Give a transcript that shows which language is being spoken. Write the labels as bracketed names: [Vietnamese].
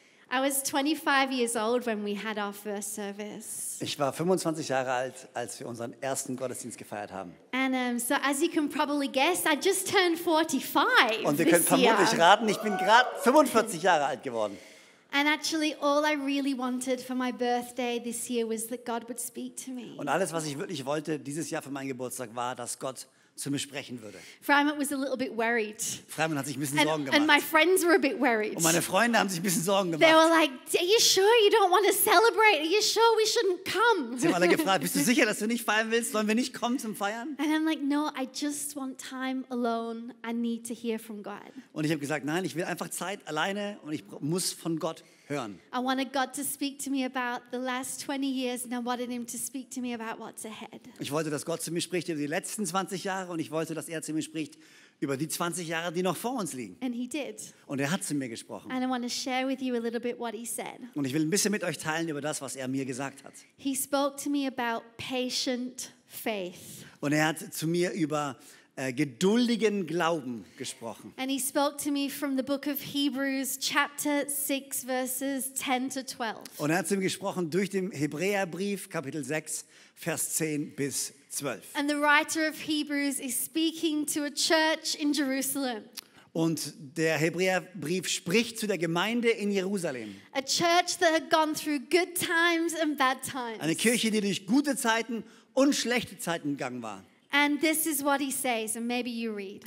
[English] I was 25 years old when we had our first service. [German] Ich war 25 Jahre alt, als wir unseren ersten Gottesdienst gefeiert haben. [English] And so as you can probably guess, I just turned 45. [German] Und ihr könnt vermutlich raten, ich bin gerade 45 Jahre alt geworden. [English] And actually all I really wanted for my birthday this year was that God would speak to me. [German] Und alles was ich wirklich wollte dieses Jahr für meinen Geburtstag war, dass Gott zu mir sprechen würde. [English] Freimann was a little bit worried. [German] Freimann hat sich ein bisschen Sorgen gemacht. [English] And my friends were a bit worried. [German] Und meine Freunde haben sich ein bisschen Sorgen gemacht. [English] They were like, "Are you sure you don't want to celebrate? Are you sure we shouldn't come?" [German] Sie haben alle gefragt, bist du sicher, dass du nicht feiern willst? Sollen wir nicht kommen zum Feiern? [English] And I'm like, "No, I just want time alone. I need to hear from God." [German] Und ich habe gesagt, nein, ich will einfach Zeit alleine und ich muss von Gott hören. [English] I wanted God to speak to me about the last 20 years and I wanted him to speak to me about what's ahead. [German] Ich wollte, dass Gott zu mir spricht über die letzten 20 Jahre und ich wollte, dass er zu mir spricht über die 20 Jahre, die noch vor uns liegen. [English] And he did. [German] Und er hat zu mir gesprochen. [English] And I want to share with you a little bit what he said. [German] Und ich will ein bisschen mit euch teilen über das, was er mir gesagt hat. [English] He spoke to me about patient faith. [German] Und er hat zu mir über geduldigen Glauben gesprochen. [English] And he spoke to me from the book of Hebrews, chapter 6, verses 10 to 12. [German] Und er hat zu mir gesprochen durch den Hebräerbrief, Kapitel 6, Vers 10 bis 12. [English] And the writer of Hebrews is speaking to a church in Jerusalem. [German] Und der Hebräerbrief spricht zu der Gemeinde in Jerusalem. [English] A church that had gone through good times and bad times. [German] Eine Kirche, die durch gute Zeiten und schlechte Zeiten gegangen war. [English] And this is what he says, and maybe you read.